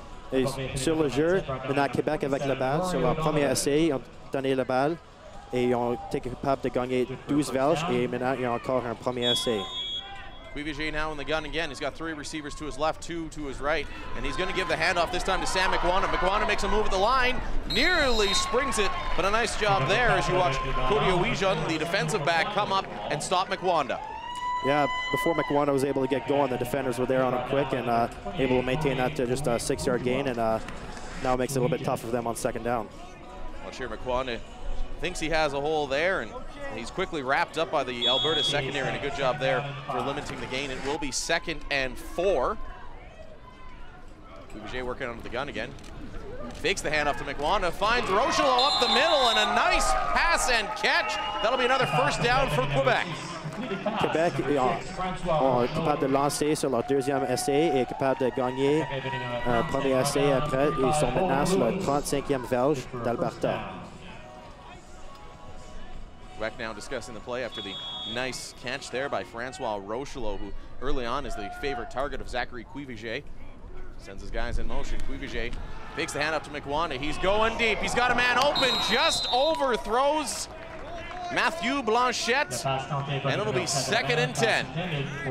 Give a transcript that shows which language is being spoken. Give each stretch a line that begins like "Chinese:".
French: Et sur le jeu, maintenant Québec avec la balle, sur leur premier essai, ils ont donné la balle et ils ont été capables de gagner 12 verges et maintenant ils ont encore un premier essai.
English: Cuivillers now in the gun again. He's got three receivers to his left, two to his right, and he's going to give the handoff this time to Sam McWanna. McWanna makes a move at the line, nearly springs it But a nice job there as you watch Cody Owijan, the defensive back, come up and stop McWanda. Yeah, before McWanda was able to get going, the defenders were there on him quick and able to maintain that to just a 6-yard gain, and now makes it a little bit tough for them on second down. Well, sure, McWanda thinks he has a hole there, and he's quickly wrapped up by the Alberta secondary, and a good job there for limiting the gain. It will be second and four. Cuvier working under the gun again. Fakes the handoff to McWanda, finds Rocheleau up the middle, and a nice pass and catch. That'll be another first down for Quebec.
French: Quebec est capable de lancer sur leur deuxième essai et est capable de gagner un premier essai après. Ils sont maintenant sur le 35e verge d'Alberta.
English: Quebec now discussing the play after the nice catch there by Francois Rocheleau, who early on is the favorite target of Zachary Cuvier. Sends his guys in motion. Cuvier takes the hand up to McWanda. He's going deep. He's got a man open, just overthrows Matthew Blanchette, and it'll be second and 10.